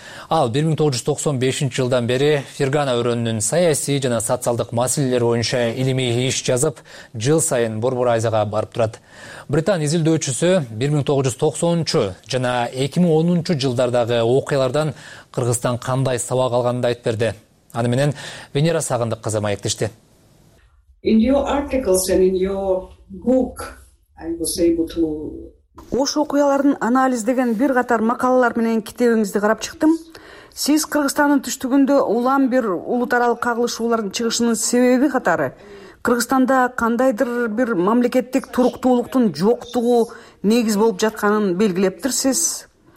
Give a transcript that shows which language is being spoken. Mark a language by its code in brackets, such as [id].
[ky] Ал 1995 жылдан бери Фергана өрөөнүнүн саясий жана социалдык маселелери боюнча илимий иш жазып, жыл сайын Борбор Азияга барып турат. Британ изилдөөчүсү 1990 жана 2010 жылдардагы окуялардан Кыргызстан кандай сабак алганды айтып берди. Аны менен Венера Сагындык кызы маектешти. [en] In your articles and in your book, I was able to... [ky] Ош окуялардын анализдеген бир катар макалалар менен китебиңизди карап чыктым. Сиз Кыргызстандын түштүгүндө улам бир улут аралык кагылышуулардын чыгышынын себеби катары Кыргызстанда кандайдыр бир мамлекеттик туруктуулуктун жоктугу негиз болуп жатканын белгилептирсиз.